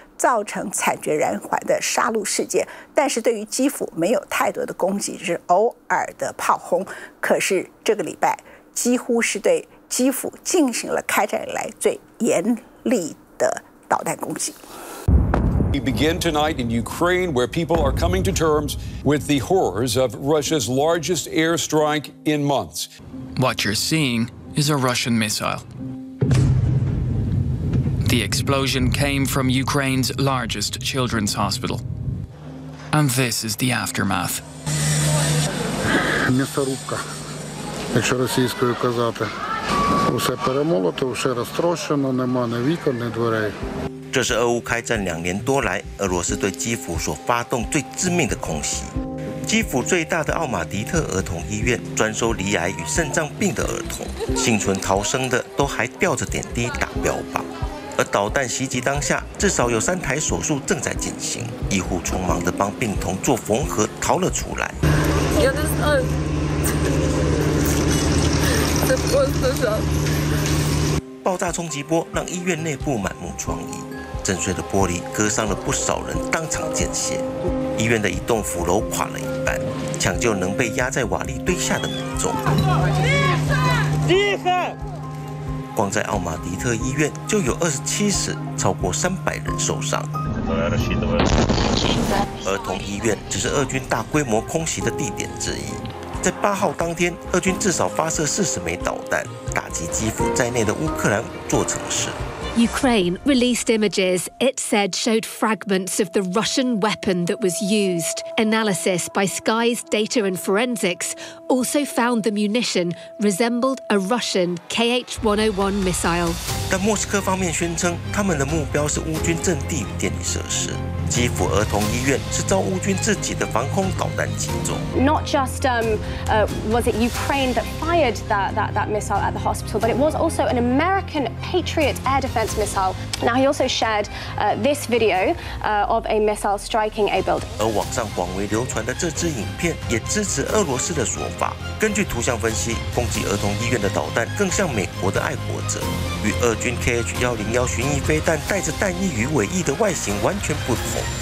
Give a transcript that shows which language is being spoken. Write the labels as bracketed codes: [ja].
[zh] 造成惨绝人寰的杀戮事件，但是对于基辅没有太多的攻击，只是偶尔的炮轰。可是这个礼拜几乎是对基辅进行了开战以来最严厉的导弹攻击。 [en] We begin tonight in Ukraine, where people are coming to terms with the horrors of Russia's largest airstrike in months. What you're seeing is a Russian missile. The explosion came from Ukraine's largest children's hospital. And this is the aftermath. [uk] Місорубка, якщо російською казати. Усе перемолоте, усе розтрощено, нема ні вікон, ні дверей. [zh] 这是俄乌开战两年多来，俄罗斯对基辅所发动最致命的空袭。基辅最大的奥马迪特儿童医院专收罹癌与肾脏病的儿童，幸存逃生的都还吊着点滴打标靶。而导弹袭击当下，至少有三台手术正在进行，医护匆忙地帮病童做缝合，逃了出来。爆炸冲击波让医院内部满目疮痍，震碎的玻璃割伤了不少人，当场见血。医院的一栋腐楼垮了一半，抢救能被压在瓦砾堆下的民众。厉害！光在奥马迪特医院就有27死，超过300人受伤。儿童医院只是俄军大规模空袭的地点之一。在八号当天，俄军至少发射40枚导弹，打击基辅在内的乌克兰座城市。 [en] Ukraine released images it said showed fragments of the Russian weapon that was used. Analysis by Sky's Data and Forensics also found the munition resembled a Russian KH-101 missile. [zh] 但莫斯科方面宣称，他们的目标是乌军阵地与电力设施。基辅儿童医院是遭乌军自己的防空导弹击中。 [en] Not just was it Ukraine that fired that missile at the hospital, but it was also an American Patriot air defense missile. Now he also shared this video of a missile striking a building. [zh] 而网上广为流传的这支影片也支持俄罗斯的说法。根据图像分析，攻击儿童医院的导弹更像美国的爱国者，与俄军 KH-101 巡弋飞弹带着弹衣与尾翼的外形完全不同。